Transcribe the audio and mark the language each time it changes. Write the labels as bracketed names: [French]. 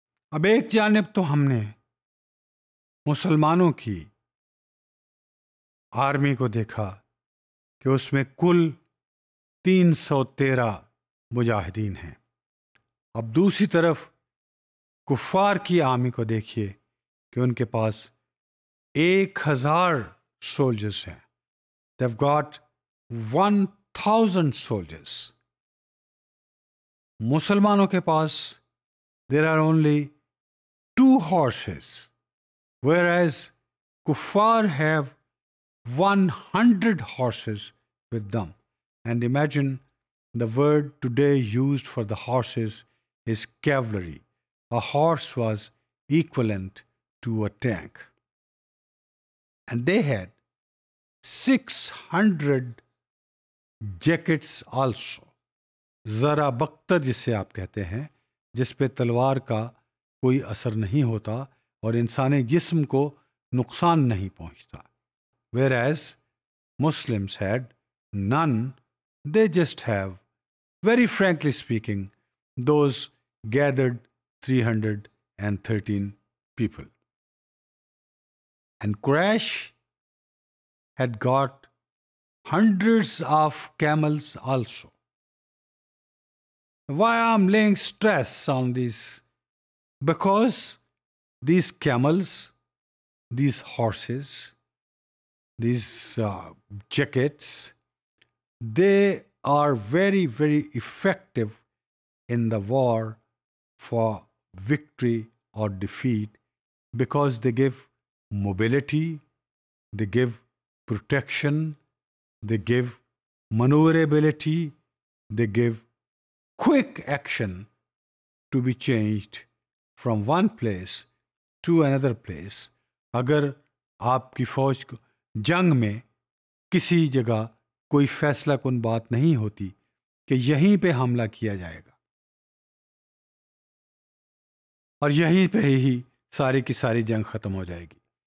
[Urdu] اب ایک جانب تو ہم نے مسلمانوں کی آرمی کو دیکھا کہ اس میں کل 313 مجاہدین ہیں، اب دوسری طرف کفار کی آرمی کو دیکھیے کہ ان کے پاس 1000 سولجرز ہیں، [English] they got 1000 soldiers, [Urdu] مسلمانوں کے پاس [English] There are only 2 horses whereas کفار have 100 horses with them. And imagine the word today used for the horses is cavalry. A horse was equivalent to a tank. And they had 600 jackets also. [Urdu] ذرہ بختر جسے آپ کہتے ہیں، جس پہ تلوار کا کوئی اثر نہیں ہوتا اور انسانی جسم کو نقصان نہیں پہنچتا. [English] Whereas Muslims had none, they just have, very frankly speaking, those gathered 313 people. And Quraysh had got hundreds of camels also. Why I'm laying stress on these? Because these camels, these horses, these jackets, they are very, very effective in the war for victory or defeat, because they give mobility, they give protection, they give maneuverability, they give quick action to be changed from one place to another place. [Urdu] Agar aapki fauj ko جنگ میں کسی جگہ کوئی فیصلہ کن بات نہیں ہوتی کہ یہیں پہ حملہ کیا جائے گا اور یہیں پہ ہی ساری کی ساری جنگ ختم ہو جائے گی.